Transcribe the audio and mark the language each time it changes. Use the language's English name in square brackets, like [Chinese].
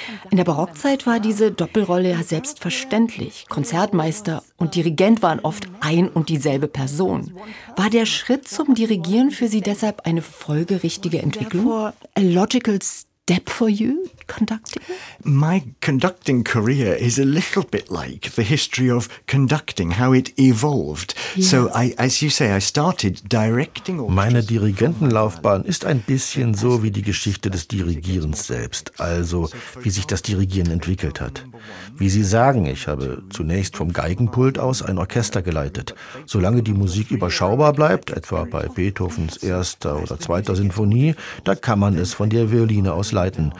[German] In der Barockzeit war diese Doppelrolle ja selbstverständlich. Konzertmeister und Dirigent waren oft ein und dieselbe Person. War der Schritt zum Dirigieren für Sie deshalb eine folgerichtige Entwicklung? [English] A logical step for you, conducting? My conducting career is a little bit like the history of conducting, how it evolved. Yes. So I, as you say, I started directing. [German] Meine Dirigentenlaufbahn ist ein bisschen so wie die Geschichte des Dirigierens selbst, also wie sich das Dirigieren entwickelt hat. Wie Sie sagen, ich habe zunächst vom Geigenpult aus ein Orchester geleitet. Solange die Musik überschaubar bleibt, etwa bei Beethovens erster oder zweiter Sinfonie, da kann man es von der Violine aus leiten.